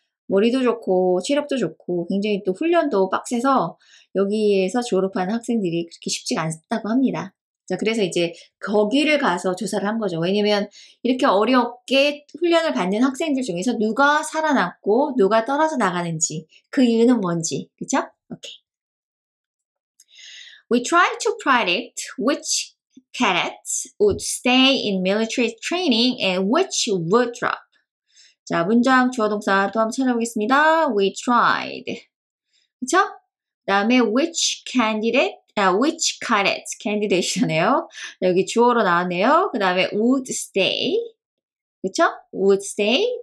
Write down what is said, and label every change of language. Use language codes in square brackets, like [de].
[ko] 머리도 좋고 체력도 좋고 굉장히 또 훈련도 빡세서 여기에서 졸업한 학생들이 그렇게 쉽지가 않다고 합니다. 자, 그래서 이제 거기를 가서 조사를 한 거죠. 왜냐면 이렇게 어렵게 훈련을 받는 학생들 중에서 누가 살아남고 누가 떨어져 나가는지 그 이유는 뭔지. 그쵸? 오케이. [en] We tried to predict which cadets would stay in military training and which would drop. [ko] 자, 문장 주어 동사 또 한번 찾아보겠습니다. [en] We tried. [ko] 그쵸? [en] 다음에 which candidate, which cadets, candidate잖아요. [ko] 여기 주어로 나왔네요. 그 다음에 [en] would stay. [ko] 그쵸? [en] Would stay.